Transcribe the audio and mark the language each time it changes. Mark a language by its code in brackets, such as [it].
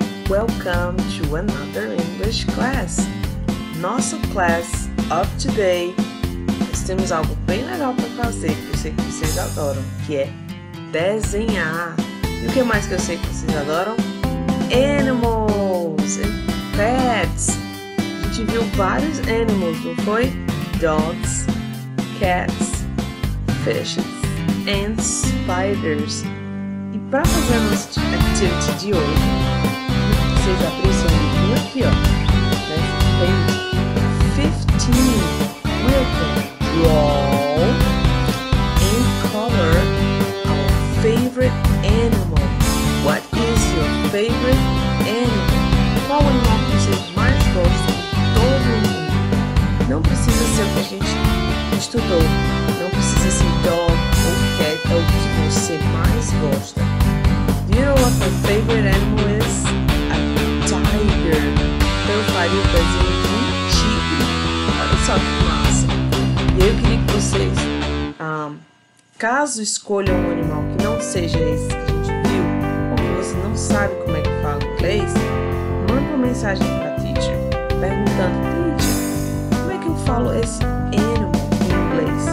[en] Welcome to another English class. [pt] Nossa [en] class of today, [pt] nós temos algo bem legal para fazer que eu sei que vocês adoram, que é desenhar. E o que mais que eu sei que vocês adoram? [en] Animals and pets. [pt] A gente viu vários animals, não foi? [en] Dogs, cats, fishes and spiders. [pt] Para fazer a nossa atividade de hoje, vocês abrem seu livrinho aqui, ó. Tem 15. [en] We can draw and color our favorite animal. What is your favorite animal? [pt] Qual animal que vocês mais gostam de todo mundo? Não precisa ser o que a gente estudou. Não precisa ser dog ou cat, é o que você mais gosta. [en] You know what my favorite animal is? A tiger. [pt] Eu faria o desenho de um tigre. Olha só que massa. E eu queria que vocês, caso escolham um animal que não seja esse que a gente viu, ou que você não sabe como é que fala inglês, manda uma mensagem para a teacher, perguntando, teacher, como é que eu falo esse animal em inglês?